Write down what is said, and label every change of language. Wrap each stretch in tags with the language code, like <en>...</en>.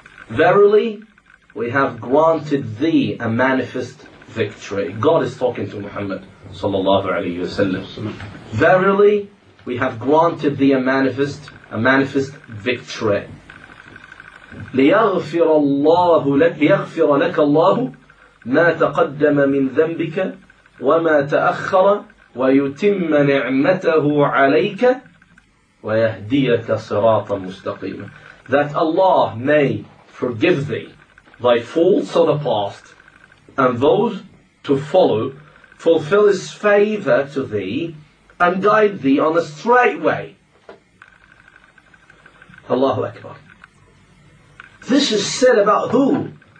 <en>Verily, we have granted thee a manifest victory. God is talking to Muhammad sallallahu alaihi wasallam. Verily, we have granted thee a manifest victory.</en> <ar>لِيَغْفِرَ اللَّهُ لَكَ اللَّهُ ما تقدم من ذنبك وما تأخر ويتم نعمته عليك ويهديك صراطا مستقيما.</ar> <en>That Allah may forgive thee thy faults of the past and those to follow, fulfill his favor to thee and guide thee on a straight way. Allahu Akbar. This is said about who?</en>